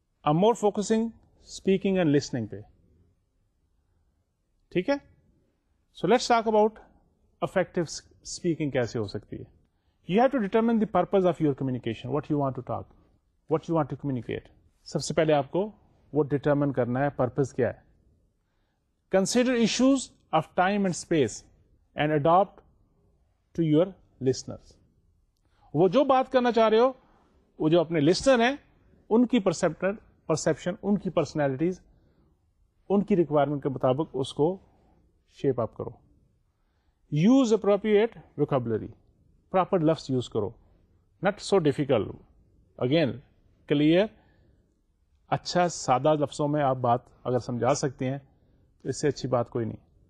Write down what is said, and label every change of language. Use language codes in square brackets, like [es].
[en] I'm more focusing speaking and listening پہ, ٹھیک ہے. So let's talk about effective speaking [ur] کیسے ہو سکتی ہے. [en] You have to determine the purpose of your communication, what you want to talk, what you want to communicate. [ur] سب سے پہلے آپ کو وہ ڈیٹرمن کرنا ہے پرپز کیا ہے. [en] Consider issues of time and space and adapt to your listeners. [ur] وہ جو بات کرنا چاہ رہے ہو, وہ جو اپنے لسنر ہیں, ان کی پرسیپشن, ان کی پرسنالٹیز, ان کی ریکوائرمنٹ کے مطابق اس کو شیپ اپ کرو. [en] use appropriate vocabulary, [ur] پراپر لفظ یوز کرو, [en] not so difficult, [ur] again clear, اچھا سادہ لفظوں میں آپ بات اگر سمجھا سکتے ہیں اس سے اچھی بات کوئی نہیں.